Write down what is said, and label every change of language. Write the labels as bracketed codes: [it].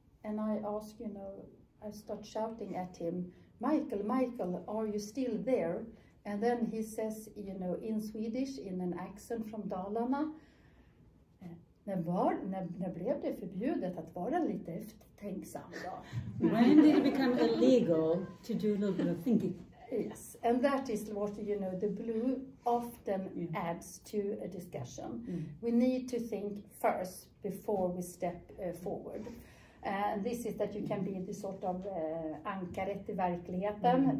[en] And I ask, you know, I start shouting at him, Michael, are you still there? And then he says, you know, in Swedish, in an accent from Dalarna, [sv] när blev det förbjudet att vara lite eftertänksam då? [en] When did it become illegal to do a little bit of thinking? Yes, and that is what, you know, the blue often adds to a discussion. Mm. We need to think first before we step forward. And this is that you can be the sort of [sv] ankaret I verkligheten, [en] mm-hmm.